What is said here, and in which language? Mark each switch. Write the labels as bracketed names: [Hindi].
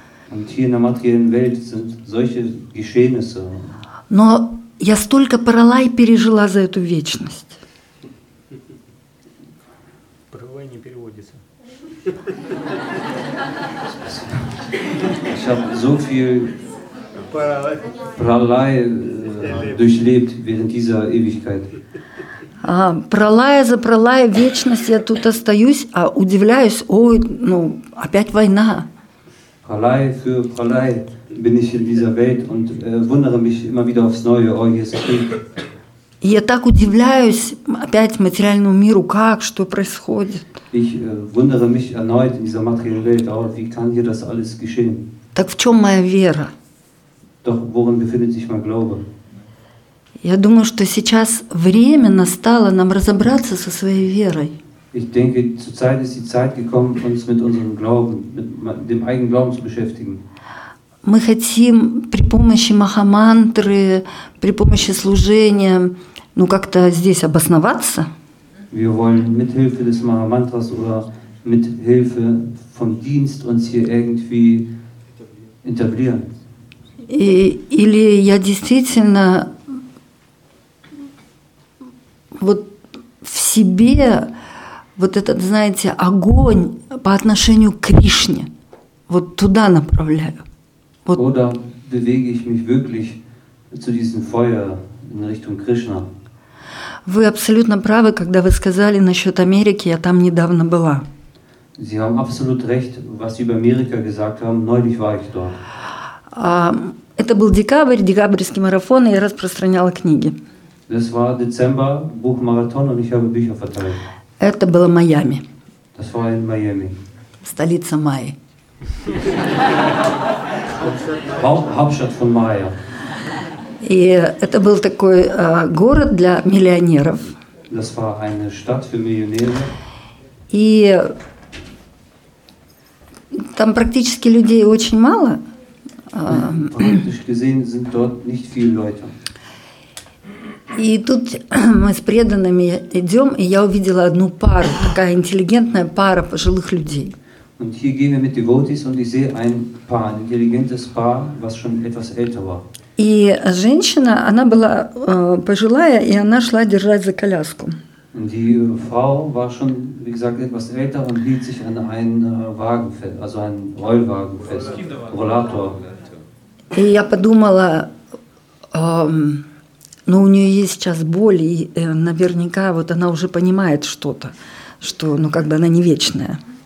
[German] Und hier in der materiellen Welt sind solche Geschehnisse. [Russian] Но я столько пралай пережила за эту вечность. Пралай не переводится. [German] Ich habe so viel пралай durchlebt während dieser Ewigkeit. [Russian] Пралая за пралая вечность я тут остаюсь, а удивляюсь, опять война. [German] Пралай für пралай bin ich in dieser Welt und wundere mich immer wieder aufs Neue, oh, hier ist Krieg. [Russian] Я так удивляюсь опять материальному миру, как, что происходит. [German] Ich wundere mich erneut in dieser materiellen Welt, oh, wie kann hier das alles geschehen? [Russian] Так в чем моя вера? [German] Doch worin befindet sich mein Glaube? [Russian] Я думаю, что сейчас время настало нам разобраться со своей верой. [German] Ich denke, zur Zeit ist die Zeit gekommen, uns mit unserem Glauben, mit dem eigenen Glauben zu beschäftigen. [Russian] Мы хотим при помощи махамантры, при помощи служения, как-то здесь обосноваться. [German] Wir wollen mit Hilfe des Mahamantras oder mit Hilfe vom Dienst uns hier irgendwie etablieren. [Russian] Или я действительно в себе этот, знаете, огонь по отношению к Кришне туда направляю. [German] Oder bewege ich mich wirklich zu diesem Feuer in Richtung Krishna? [Russian] Вы абсолютно правы, когда вы сказали насчет Америки, я там недавно была. [German] Sie haben absolut recht, was Sie über Amerika gesagt haben, neulich war ich dort. [Russian] Это был декабрь, декабрьский марафон, и я распространяла книги. [German] Das war Dezember, Buchmarathon, und ich habe Bücher verteilt. [Russian] Это было Майами. [German] Das war in Miami. [Russian] Столица Майи. [German] Hauptstadt von Maya. [Russian] И это был такой город для миллионеров. [German] Das war eine Stadt für Millionäre. [Russian] И там практически людей очень мало. [German] Praktisch gesehen sind dort nicht viele Leute. [Russian] И тут мы с преданными идем, и я увидела одну пару, такая интеллигентная пара пожилых людей. [German] Und hier gehen wir mit Devotees und ich sehe ein Paar, ein intelligentes Paar, was schon etwas älter war. [Russian] И женщина, она была пожилая, и она шла держать за коляску. [German] Und die Frau war schon, wie gesagt, etwas älter und hielt sich an einen Wagen fest, also einen Rollwagen fest, Rollator. [Russian] И я подумала, у нее есть сейчас боль, и наверняка она уже понимает что-то, что она не вечная.